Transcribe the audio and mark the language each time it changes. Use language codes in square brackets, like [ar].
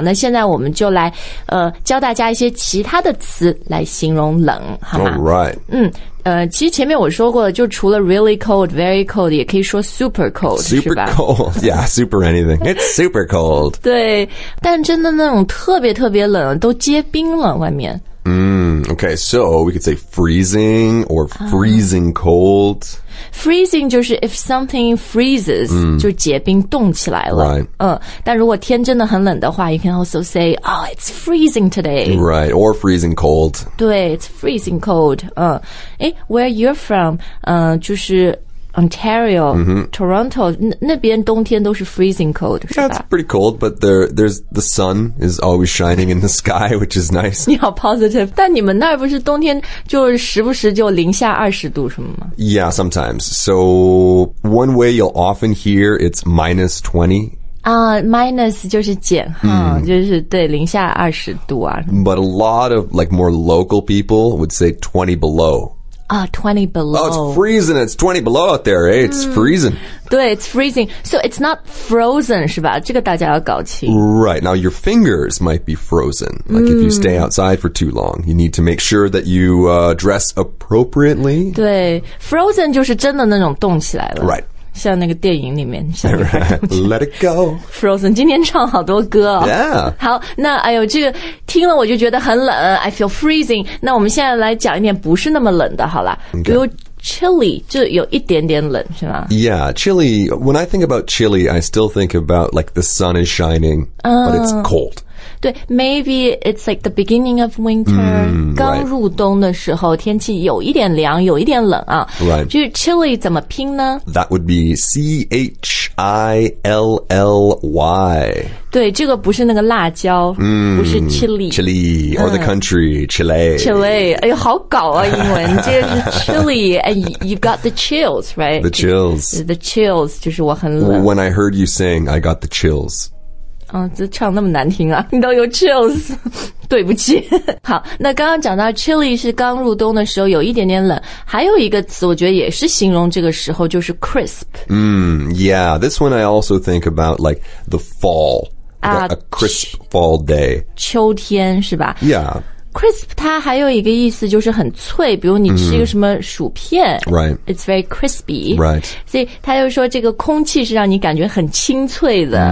[zh] 那现在我们就来教大家一些其他的词来形容冷，好吗 [en] ？Right. [zh] 其实前面我说过了，就除了 [en] really cold, very cold, [zh] 也可以说 super cold, [en] super [zh] 是吧 [en] cold, yeah, super anything. It's super cold. [zh] 对，但真的那种特别特别冷，都结冰了外面。 [en] Okay, so we could say freezing or freezing cold. [zh] Freezing 就是 [en] if something freezes, [zh] 就结冰冻起来了。 [en] Right. [zh] 但如果天真的很冷的话 [en] you can also say, oh, it's freezing today. Right, or freezing cold. 对 it's freezing cold. Where you're from, 就是 Ontario,Toronto, [zh] 那边冬天都是 [en] freezing cold, yeah, [zh] 是吧 [en] Yeah, it's pretty cold, but there's the sun is always shining in the sky, which is nice. [zh] 你好 positive. 但你们那儿不是冬天就时不时就零下二十度什么吗 [en] Yeah, sometimes. So one way you'll often hear it's minus 20. [zh] Minus 就是减哈、就是对零下二十度啊。 [en] But a lot of like more local people would say 20 below. 20 below. Oh, it's freezing. It's 20 below out there, eh? It's freezing. 对 it's freezing. So it's not frozen, 是吧？ [zh] 这个大家要搞清。 [en] Right. Now, your fingers might be frozen. Like, if you stay outside for too long, you need to make sure that you, dress appropriately. [zh] 对 frozen 就是真的那种冻起来了。 [en] Right. [zh] 像那个电影里面像 [en] Let it go [zh] Frozen 今天唱好多歌、 [en] Yeah [zh] 好那哎呦这个听了我就觉得很冷 [en] I feel freezing [zh] 那我们现在来讲一点不是那么冷的好啦、 [en] okay. [zh] 比如 chilly 就有一点点冷是吗 [en] Yeah chilly When I think about chilly I still think about like the sun is shining、But it's cold 对 maybe it's like the beginning of winter, [zh] 刚入冬的时候、 [en] right. [zh] 天气有一点凉有一点冷啊。 [en] Right. [zh] 就是 chilly 怎么拼呢 [en] That would be C-H-I-L-L-Y. Chilly. [zh] 对，这个不是那个辣椒，不是 chili. [en] Chili, or the country, Chile. Chile, [zh] 哎呦，好搞啊，英文，这个是 [en] chili, and you've got the chills, right? The chills. [zh] The chills, 就是我很冷。 [en] When I heard you sing, I got the chills. [zh] 嗯，这唱那么难听啊，你都有 chills, 对不起。好，那刚刚讲到 chili 是刚入冬的时候有一点点冷，还有一个词我觉得也是形容这个时候，就是 crisp. [en] Yeah, this one I also think about, like, the fall. A crisp fall day. [zh] 秋天是吧 [en] ?Yeah. [zh] Crisp 它还有一个意思就是很脆，比如你吃一个什么薯片、 [en] Right. It's very crispy. Right. [zh] 所以他就说这个空气是让你感觉很清脆的。